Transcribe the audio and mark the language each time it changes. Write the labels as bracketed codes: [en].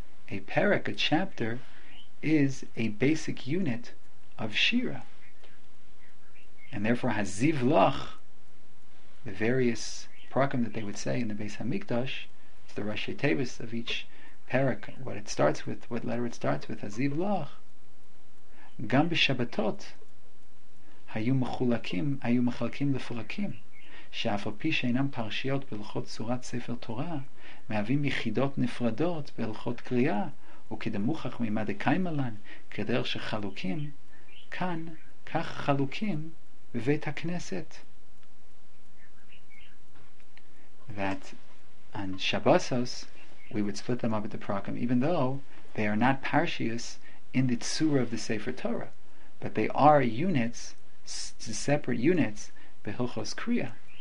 [en] A perek, a chapter, is a basic unit of Shira. And therefore HaZiv Lach, the various prakim that they would say in the Beis HaMikdash, it's the Rashi Tevis of each perek, what it starts with, what letter it starts with, HaZiv Lach. [he] Gam B'Shabbatot היו מחולקים, היו מחלקים לפרקים, שאף על פי שאינם פרשיות בהלכות צורת ספר תורה, מהווים יחידות נפרדות בהלכות קריאה, וכדמוכח מימד הקיימלן, כדרך שחלוקים, כאן, כך חלוקים בבית הכנסת. [en] That on Shabbosos, we would split them up at the Prakim, even though they are not parshios in the Tzura of the Sefer Torah, but they are units, separate units, behilchos kriya.